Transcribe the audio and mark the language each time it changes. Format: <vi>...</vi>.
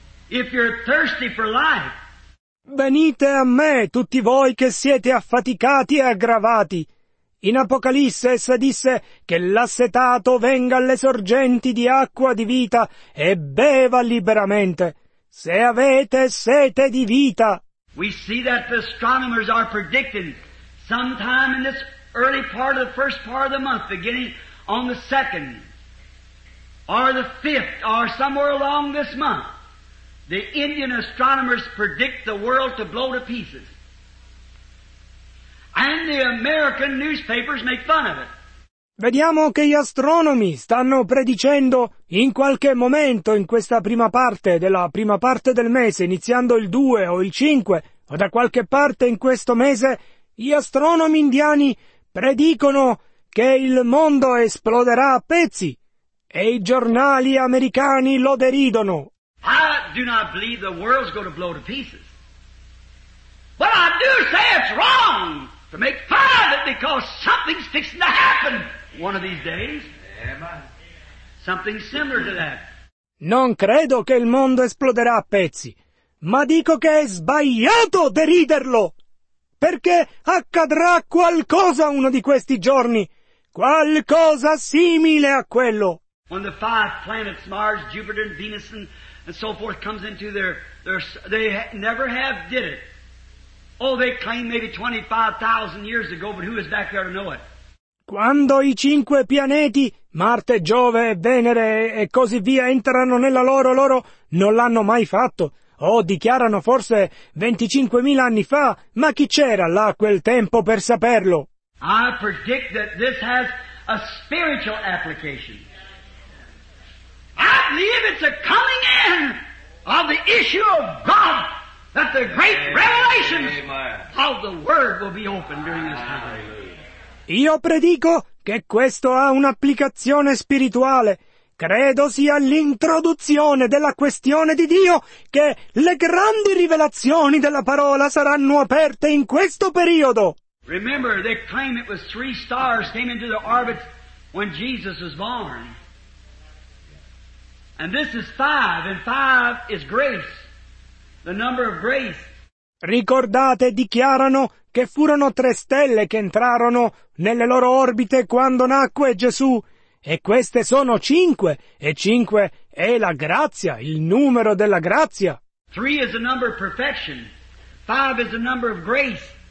<en>If you're thirsty for life.</en> <it>Venite a me, tutti voi che siete affaticati e aggravati. In Apocalisse essa disse che l'assetato venga alle sorgenti di acqua di vita e beva liberamente. Se avete sete di vita.</it> <en>We see that the astronomers are predicting sometime in this early part of the first part of the month, beginning on the second, or the fifth, or somewhere along this month, the Indian astronomers predict the world to blow to pieces. And the American newspapers make fun of it.</en> <it>Vediamo che gli astronomi stanno predicendo in qualche momento in questa prima parte della prima parte del mese, iniziando il 2 o il 5 o da qualche parte in questo mese, gli astronomi indiani predicono che il mondo esploderà a pezzi e i giornali americani lo deridono.</it> <en>I do not believe the world's going to blow to pieces. But I do say it's wrong to make fun of it because something's fixing to happen one of these days. Something similar to that.</en> <it>Non credo che il mondo esploderà a pezzi, ma dico che è sbagliato deriderlo, perché accadrà qualcosa uno di questi giorni, qualcosa simile a quello.</it> <en>When the five planets, Mars, Jupiter, and Venus, and so forth, comes into their they never have did it. Oh, they claim maybe 25,000 years ago, but who is back there to know it?</en> <it>Quando i cinque pianeti, Marte, Giove, Venere e così via, entrano nella loro, non l'hanno mai fatto. O dichiarano forse 25.000 anni fa, ma chi c'era là a quel tempo per saperlo?</it> <en>I predict that this has a spiritual application. I believe it's a coming in of the issue of God, that the great revelation of the Word will be opened during this time.</en> <it>Io predico che questo ha un'applicazione spirituale. Credo sia l'introduzione della questione di Dio che le grandi rivelazioni della parola saranno aperte in questo periodo.</it> <en>Remember, they claim it was three stars came into the orbit when Jesus was born. And this is five, and five is grace, the number of grace.</en> <it>Ricordate, dichiarano che furono tre stelle che entrarono nelle loro orbite quando nacque Gesù. E queste sono cinque, e cinque è la grazia, il numero della grazia.</it> <en>Three is the number of perfection. Five is the number of grace.</en>